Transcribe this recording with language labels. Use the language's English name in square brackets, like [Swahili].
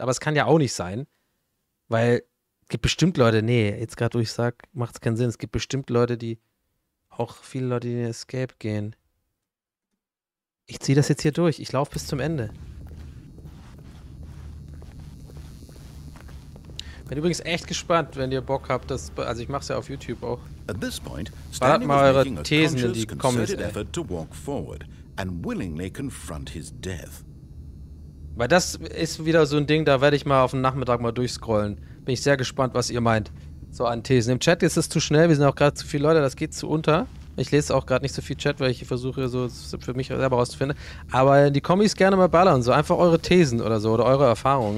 [German] Aber es kann ja auch nicht sein, weil es gibt bestimmt Leute, nee, jetzt gerade, wo ich sage, macht es keinen Sinn, es gibt bestimmt Leute, die auch viele Leute, die in den Escape gehen. Ich ziehe das jetzt hier durch. Ich laufe bis zum Ende. Bin übrigens echt gespannt, wenn ihr Bock habt, das, also ich mache es ja auf YouTube auch. [English] At this point, [German] ballert mal eure Thesen in die Comments, [English] to walk forward and willingly confront his death. [German] Weil das ist wieder so ein Ding, da werde ich mal auf den Nachmittag mal durchscrollen. Bin ich sehr gespannt, was ihr meint. So an Thesen. Im Chat ist es zu schnell, wir sind auch gerade zu viele Leute, das geht zu unter. Ich lese auch gerade nicht so viel Chat, weil ich versuche, so für mich selber rauszufinden. Aber die Kommis gerne mal ballern, so einfach eure Thesen oder so, oder eure Erfahrungen.